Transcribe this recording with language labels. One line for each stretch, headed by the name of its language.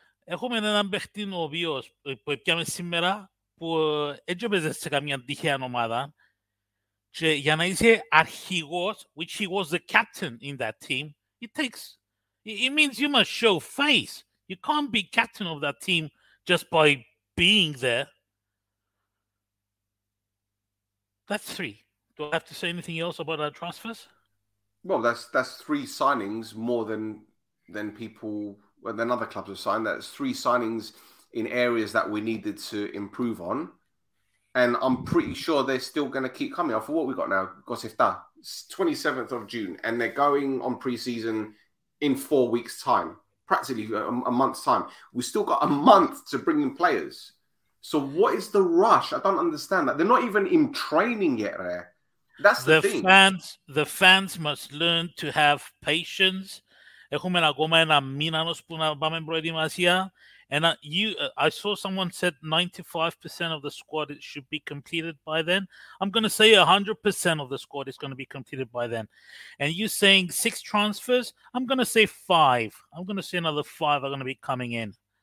Greek: Έχουμε έναν παίχτη ο οποίος που έπιαμε σήμερα που έτσι έπαιζε σε καμία τυχαία ομάδα και για να είσαι αρχηγός,
English: which he was the captain in that team, it means you must show face. You can't be captain of that team just by being there. That's three. Do I have to say anything else about our transfers? Well, that's three signings more than people... Well, then other clubs have signed. That's three signings in areas that we needed to improve on. And I'm pretty sure they're still going to keep coming. For what we got now, Gosifta, 27th of June, and they're going on pre-season in 4 weeks' time, practically a month's time. We've still got a month to bring in players. So what is the rush? I don't understand that. They're not even in training yet, Rare. That's the thing. The fans must learn to have patience.
Greek: Έχουμε ακόμα ένα μήνα ώσπου να πάμε προετοιμασία.
English: And I saw someone said 95% of the squad should be completed by then. I'm going to say 100% of the squad is going to be completed by then. And you saying six transfers? I'm going to say five. I'm going to say another five are going to be coming in.